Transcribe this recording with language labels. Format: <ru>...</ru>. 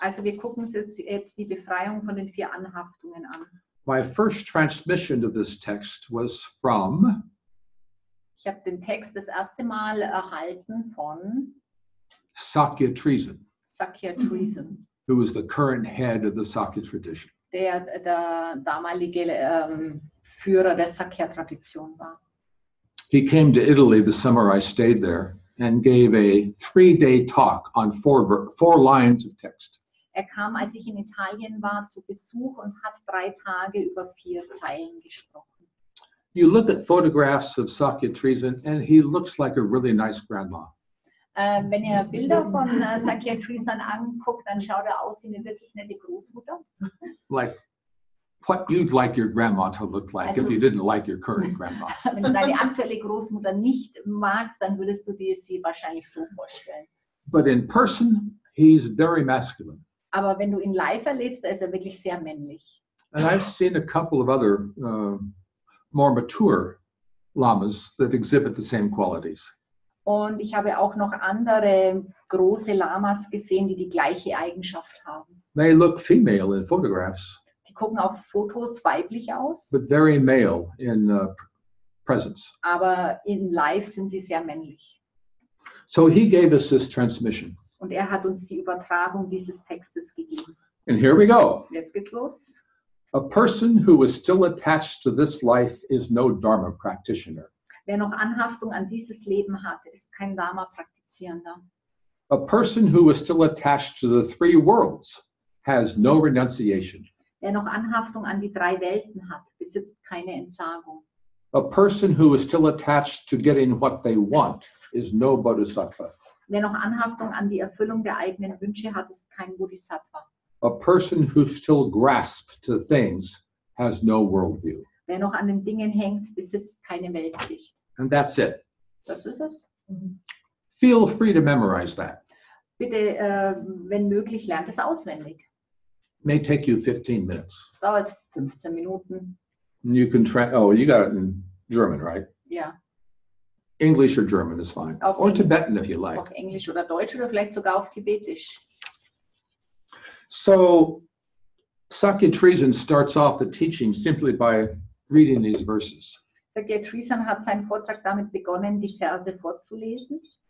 <de>Also wir gucken jetzt die Befreiung von den vier Anhaftungen an.</de> <en>My first transmission to this text was from...</en> <de>Ich habe den Text das erste Mal erhalten von...</de> <en>Sakya Treason.</en> <de>Sakya Treason.</de> <en>Who was the current head of the Sakya tradition.</en> <de>Der damalige Führer der Sakya tradition war.</de> <en>He came to Italy, the samurai stayed there, and gave a three-day talk on four lines of text.</en> <de>Er kam, als ich in Italien war, zu Besuch und hat drei Tage über vier Zeilen gesprochen.</de> <en>You look at photographs of Sakya Treason, and he looks like a really nice grandma.</en> <de>Wenn ihr Bilder von Sakya Treason anguckt, dann schaut er aus wie eine wirklich nette Großmutter.</de> <en>Like what you'd like your grandma to look like, also, if you didn't like your current grandma.</en> <de>Wenn du deine aktuelle Großmutter nicht magst, dann würdest du dir sie wahrscheinlich so vorstellen.</de> <en>But in person, he's very masculine.</en> <de>Aber wenn du ihn live erlebst, ist er wirklich sehr männlich.</de> <en>And I've seen a couple of other more mature lamas that exhibit the same qualities.</en> <de>Und ich habe auch noch andere große Lamas gesehen, die die gleiche Eigenschaft haben.</de> <en>They look female in photographs.</en> <de>Die gucken auf Fotos weiblich aus.</de> <en>But very male in presence.</en> <de>Aber in live sind sie sehr männlich.</de> <en>So he gave us this transmission.</en> <de>Und er hat uns die Übertragung dieses Textes gegeben.</de> <en>And here we go.</en> <de>Jetzt geht's los.</de> <en>A person who is still attached to this life is no Dharma practitioner.</en> <de>Wer noch Anhaftung an dieses Leben hat, ist kein Dharma-Praktizierender.</de> <en>A person who is still attached to the three worlds has no renunciation.</en> <de>Wer noch Anhaftung an die drei Welten hat, besitzt keine Entsagung.</de> <en>A person who is still attached to getting what they want is no Bodhisattva.</en> <de>Wer noch Anhaftung an die Erfüllung der eigenen Wünsche hat, ist kein Bodhisattva.</de> <en>A person who still grasps to things has no worldview.</en> <de>Wer noch an den Dingen hängt, besitzt keine Weltsicht.</de> <en>And that's it.</en> <de>Das ist es.</de> <en>Feel free to memorize that.</en> <de>Bitte, wenn möglich, lernt es auswendig.</de> <en>May take you 15 minutes.</en> <de>Es dauert 15 Minuten.</de> <en>You can you got it in German, right? Yeah. English or German is fine.</en> <de>Auf</de> <en>or Englisch. Tibetan, if you like.</en> <de>Auf Englisch oder Deutsch oder vielleicht sogar auf Tibetisch.</de> <en>So, Sakya Treason starts off the teaching simply by reading these verses.</en> <de>Sakya Treason hat seinen Vortrag damit begonnen, die Verse vorzulesen.</de>